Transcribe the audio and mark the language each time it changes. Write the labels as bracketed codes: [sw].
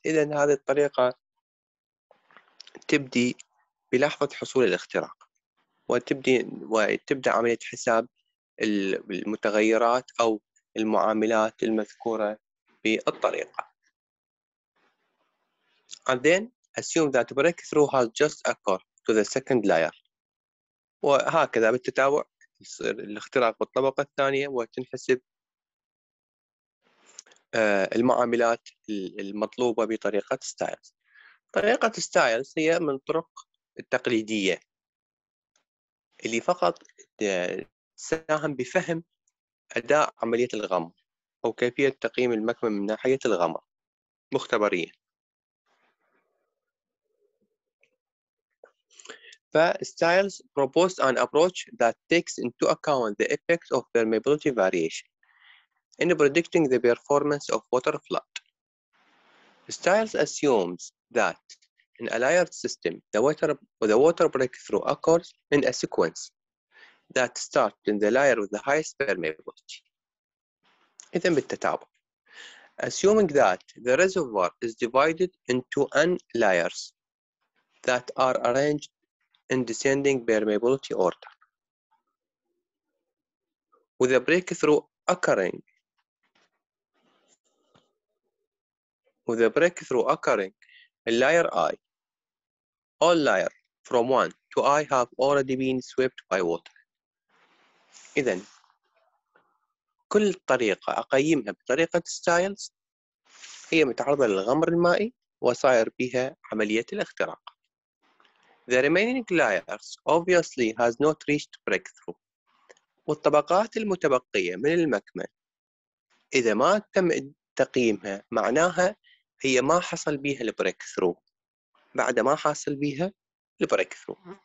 [ar] إذن هذه الطريقة تبدي بلحظة حصول الاختراق وتبدأ عملية حساب المتغيرات أو المعاملات المذكورة بالطريقة. [en] And then assume that breakthrough has just occurred to the second layer. [ar] وهكذا بالتتابع يصير الاختراق بالطبقة الثانية وتنحسب المعاملات المطلوبة بطريقة ستايلز. طريقة ستايلز هي من الطرق التقليدية اللي فقط تساهم بفهم أداء عملية الغمر أو كيفية تقييم المكمن من ناحية الغمر مختبريا. [en] فستايلز proposed an approach that takes into account the effect of permeability variation in predicting the performance of water flood. Stiles assumes that in a layered system, the water breakthrough occurs in a sequence that starts in the layer with the highest permeability. [ar] إذن بالتتابع. [en] Assuming that the reservoir is divided into n layers that are arranged in descending permeability order, with a breakthrough occurring with a breakthrough occurring in layer I, all layers from 1 to I have already been swept by water. [ar] إذن كل طريقة أقيمها بطريقة ستايلز هي متعرضة للغمر المائي وصاير بها عملية الاختراق. [en] The remaining layers obviously has not reached breakthrough. [ar] والطبقات المتبقية من المكمن إذا ما تم تقييمها معناها هي ما حصل بها البريكثرو بعد ما حصل بها البريكثرو.